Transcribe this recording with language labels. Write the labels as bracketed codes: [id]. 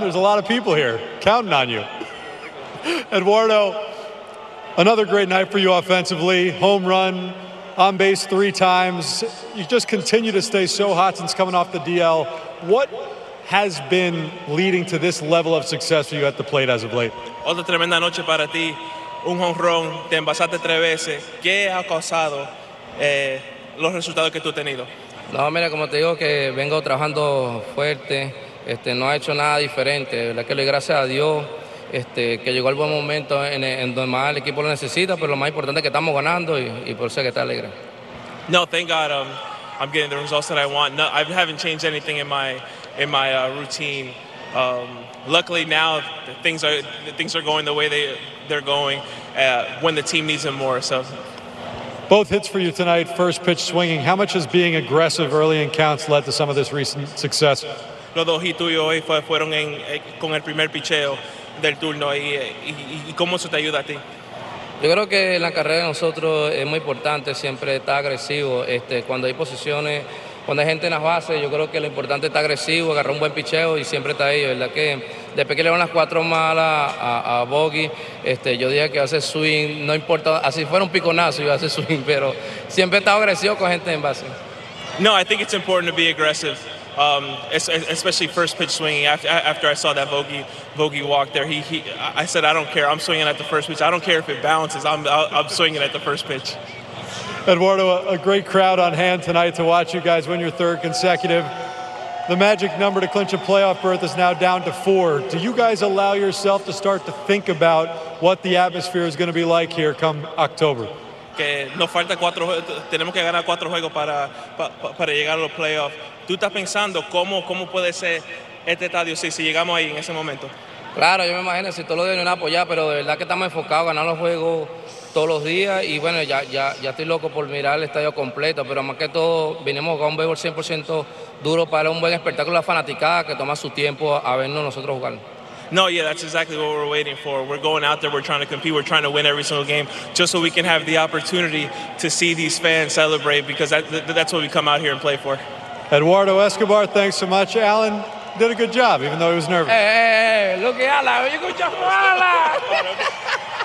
[en] There's a lot of people here counting on you. Eduardo, another great night for you offensively. Home run, on base three times. You just continue to stay so hot since coming off the DL. What has been leading to this level of success for you at the plate as of late? [es] Otra tremenda noche para ti. Un honrón, te envasaste tres veces. ¿Qué ha causado los resultados que tú has tenido? No, mira, como te digo, que vengo trabajando fuerte. No ha hecho nada diferente. La que le gracias a Dios que llegó el buen momento en donde más el equipo lo necesita, pero lo más importante es que estamos ganando y por eso es que está alegre. [en] No, thank God. I'm getting the results that I want. No, I haven't changed anything in my routine. Luckily now things are going the way they're going when the team needs them more. So both hits for you tonight, first pitch swinging. How much has being aggressive early in counts led to some of this recent success? [es] Los dos hits tuyos hoy fueron con el primer picheo del turno y cómo eso te ayuda a ti. Yo creo que la carrera de nosotros es muy importante, siempre estar agresivo. Cuando hay posiciones, cuando hay gente en las bases, yo creo que lo importante es estar agresivo, agarrar un buen picheo y siempre está ahí, ¿verdad? Que después que le van las cuatro malas a Bogey, yo dije que hace swing, no importa, así fuera un piconazo, yo hace swing, pero siempre he estado agresivo con gente en base. [en] No, I think it's important to be aggressive. Especially first pitch swinging. After I saw that bogey walk there, I said, I don't care. I'm swinging at the first pitch. I don't care if it bounces. I'm swinging at the first pitch. Eduardo, a great crowd on hand tonight to watch you guys win your third consecutive. The magic number to clinch a playoff berth is now down to four. Do you guys allow yourself to start to think about what the atmosphere is going to be like here come October? [es] Que nos falta cuatro, tenemos que ganar cuatro juegos para llegar a los playoffs. ¿Tú estás pensando cómo puede ser este estadio si llegamos ahí en ese momento? Claro, yo me imagino si todos los días nos apoyan, pero de verdad que estamos enfocados a ganar los juegos todos los días y bueno, ya estoy loco por mirar el estadio completo, pero más que todo vinimos a jugar un béisbol 100% duro para un buen espectáculo a la fanaticada que toma su tiempo a vernos nosotros jugar. [en] No, yeah, that's exactly what we're waiting for. We're going out there, we're trying to compete, we're trying to win every single game just so we can have the opportunity to see these fans celebrate because that's what we come out here and play for. Eduardo Escobar, thanks so much. Alan did a good job, even though he was nervous. Hey, look at Alan. You good job, Alan.